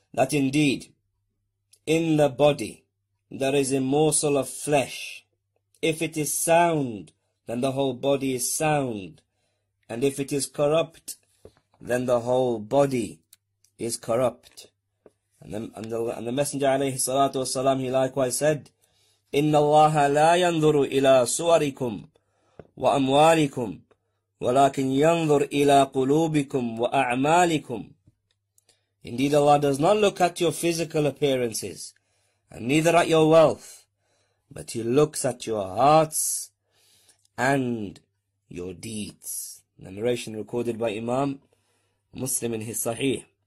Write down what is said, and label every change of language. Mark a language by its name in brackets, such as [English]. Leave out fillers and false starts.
[English] That indeed, in the body, there is a morsel of flesh. If it is sound, then the whole body is sound. And if it is corrupt, then the whole body is corrupt. And the Messenger alayhi salatu wasalam, he likewise said, [Arabic] إِنَّ اللَّهَ لَا يَنْظُرُ إِلَىٰ صُوَرِكُمْ وَأَمْوَالِكُمْ وَلَكِنْ يَنْظُرُ إِلَىٰ قُلُوبِكُمْ وَأَعْمَالِكُمْ. [English] Indeed, Allah does not look at your physical appearances, and neither at your wealth, but He looks at your hearts and your deeds. The narration recorded by Imam Muslim in his Sahih.